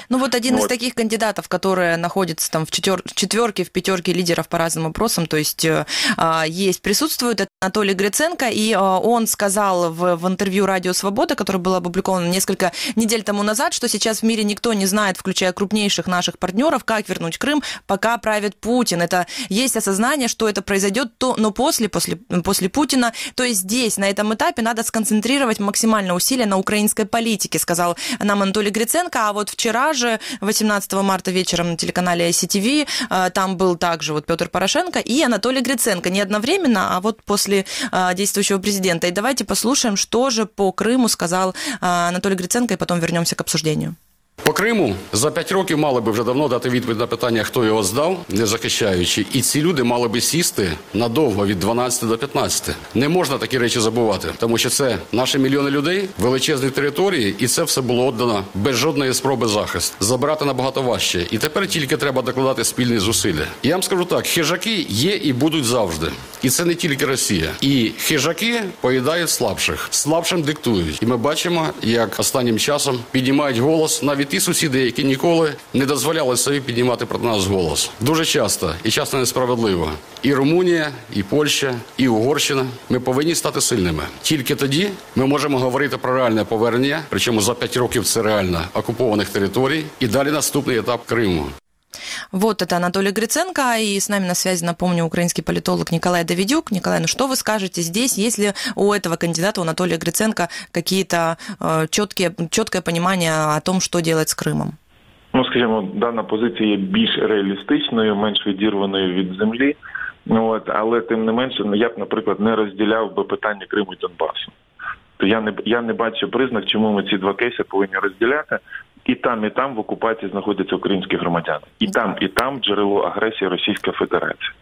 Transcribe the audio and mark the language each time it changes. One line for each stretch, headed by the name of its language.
Ukrainian: Ну от один із таких кандидатів, який знаходиться там в четвірці, в п'ятірці лідерів по різним опросам, тобто є, присутствує, це Анатолій Гриценко, і він сказав в інтерв'ю Радіо Свобода, яке було опубліковано кілька тиждень тому назад, що зараз в світі ніхто не знає,
Russian: включая крупнейших
Ukrainian: наших партнерів, як вернуть Крим, поки править Путін. Це є
Russian: осознання, що це произойдет, то, но после Путина. То есть здесь, на этом этапе, надо сконцентрировать максимально усилия на украинской политике, сказал нам Анатолий Гриценко. А вот вчера же, 18 марта вечером на телеканале ICTV, там был также вот Петр Порошенко и Анатолий Гриценко. Не одновременно, а вот после действующего президента. И давайте послушаем, что же по Крыму сказал Анатолий Гриценко, и потом вернемся к обсуждению.
Ukrainian: По Криму за 5 років мали би вже давно дати відповідь на питання, хто його здав, не захищаючи. І ці люди мали би сісти надовго від 12 до 15. Не можна такі речі забувати, тому що це наші мільйони людей, величезні території, і це все було віддано без жодної спроби захист. Забрати набагато важче. І тепер тільки треба докладати спільні зусилля. Я вам скажу так, хижаки є і будуть завжди. І це не тільки Росія. І хижаки поїдають слабших. Слабшим диктують. І ми бачимо, як останнім часом піднімають голос навіть ті сусіди, які ніколи не дозволяли собі піднімати про нас голос. Дуже часто і часто несправедливо. І Румунія, і Польща, і Угорщина. Ми повинні стати сильними. Тільки тоді ми можемо говорити про реальне повернення, причому за 5 років це реально окупованих територій, і далі наступний етап Криму.
Russian: Вот это Анатолий Гриценко, и с нами на связи, напомню, украинский политолог Николай Давидюк. Николай, ну что вы скажете здесь, есть ли у этого кандидата, у Анатолия Гриценко, какие-то четкое понимание о том, что делать с Крымом?
Ukrainian: Ну, скажем, дана позиция є більш реалістичною, менш відірваною від землі, вот, але тим не менше, я б, наприклад, не розділяв би питання Криму і Донбасу. То я не бачу признак, чому ми ці два кейси повинні розділяти. І там в окупації знаходяться українські громадяни. І там джерело агресії Російська Федерація.